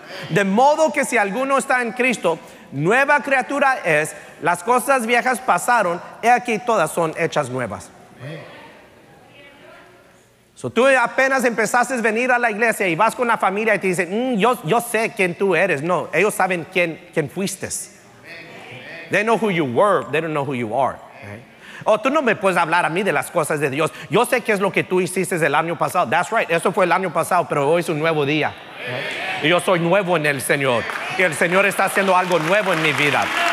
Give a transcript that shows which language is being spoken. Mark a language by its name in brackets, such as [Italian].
[Spanish] De modo que si alguno está en Cristo, nueva criatura es, las cosas viejas pasaron, he aquí todas son hechas nuevas. So, tú apenas empezaste a venir a la iglesia y vas con la familia y te dicen, yo sé quién tú eres. No, ellos saben quién fuiste. [English] They know who you were, they don't know who you are. [Spanish] Oh, tú no me puedes hablar a mí de las cosas de Dios. Yo sé qué es lo que tú hiciste el año pasado. [English] That's right, [Spanish] eso fue el año pasado, pero hoy es un nuevo día. Y yo soy nuevo en el Señor. Y el Señor está haciendo algo nuevo en mi vida.